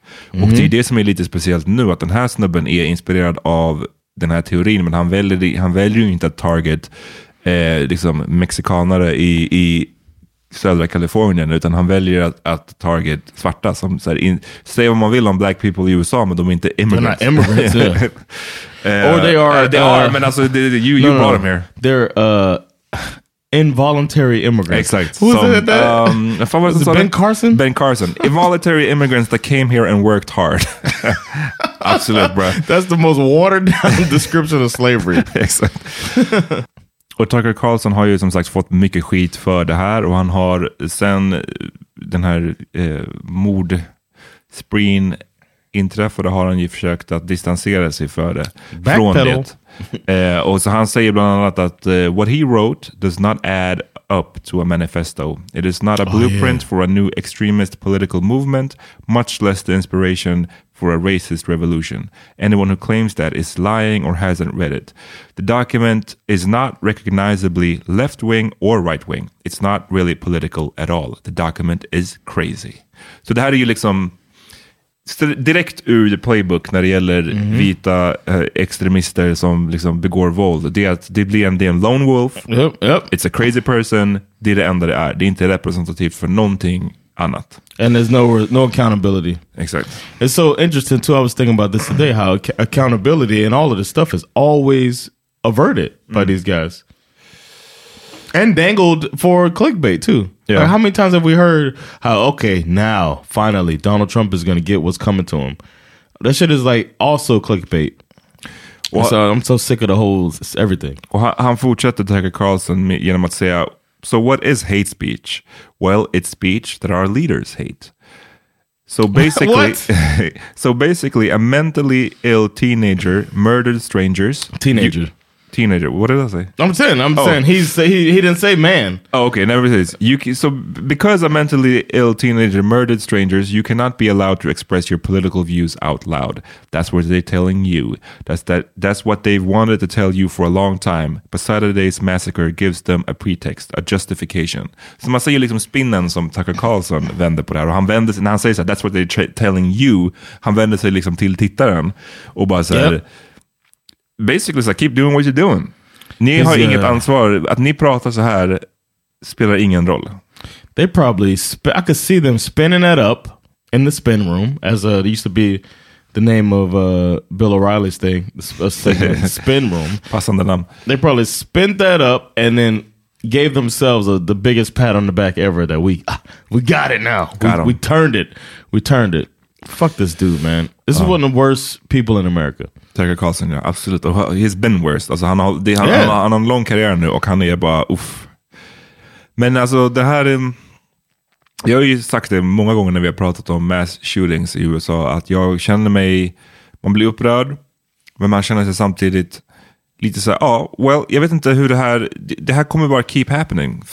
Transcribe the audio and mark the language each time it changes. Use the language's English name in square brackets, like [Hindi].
[Swedish] Och det är det som är lite speciellt nu, att den här snubben är inspirerad av den här teorin, men han väljer ju inte att target liksom mexikanare i södra Kalifornien, utan han väljer att target svarta, som så här, säg vad man vill om black people i USA, men de är inte immigrants. [English] They're not immigrants, yeah. Or they are. [Swedish] Men alltså, [English] you brought them here. They're involuntary immigrants. Exactly. Who was it? Ben Carson. Involuntary immigrants that came here and worked hard. Absolutely, bro. That's the most watered down description of slavery. Exactly. [Swedish] Och Tucker Carlson har ju som sagt fått mycket skit för det här, och han har sen den här mordspreen inträffade, har han ju försökt att distansera sig för det. Backpedal. Från det. Och så han säger bland annat att [English] what he wrote does not add up to a manifesto. It is not a blueprint for a new extremist political movement, much less the inspiration for a racist revolution. Anyone who claims that is lying or hasn't read it. The document is not recognizably left-wing or right-wing. It's not really political at all. The document is crazy. [Swedish] Så det här är ju liksom direkt ur the playbook när det gäller vita extremister som liksom begår våld. Det är att det blir en lone wolf. [English] Yep. It's a crazy person. [Swedish] Det är det enda det är. Det är inte representativt för någonting annat. [English] And there's no accountability. Exactly. It's so interesting too. I was thinking about this today, how accountability and all of this stuff is always averted by these guys. And dangled for clickbait too. Yeah. Like, how many times have we heard how, okay, now, finally, Donald Trump is going to get what's coming to him? That shit is like also clickbait. Well, so I'm so sick of the whole everything. [Swedish] Han fortsätter Tucker Carlson genom att säga, [English] so what is hate speech? Well, it's speech that our leaders hate. So basically, a mentally ill teenager murdered strangers. Teenager. Teenager. What did I say? I'm saying. He didn't say man. Oh, okay. Never says. So because a mentally ill teenager murdered strangers, you cannot be allowed to express your political views out loud. That's what they're telling you. That's what they've wanted to tell you for a long time. But Saturday's massacre gives them a pretext, a justification. [Swedish] Så man säger liksom spinnen som Tucker Carlson vänder på det här. Och han vänder sig, när han säger så här, [English] that's what they're telling you. [Swedish] Han vänder sig liksom till tittaren och bara säger... [English] Yep. Basically, like, keep doing what you're doing. [Swedish] Ni har inget ansvar. Att ni pratar så här spelar ingen roll. [English] They probably, I could see them spinning that up in the spin room, as it used to be the name of Bill O'Reilly's thing, the spin room. [Swedish] Passande namn. [English] They probably spin that up and then gave themselves the biggest pat on the back ever that we got it now. We turned it. Fuck this dude, man. This is one of the worst people in America. Tucker Carlson, yeah, absolutely. He's been worse. [Swedish] Alltså, han har en lång karriär nu och han är bara, uff. Men alltså, det här är... Jag har ju sagt det många gånger när vi har pratat om mass shootings i USA, att jag känner mig... Man blir upprörd, men man känner sig samtidigt lite så här, well, jag vet inte hur det här kommer bara [English] keep happening.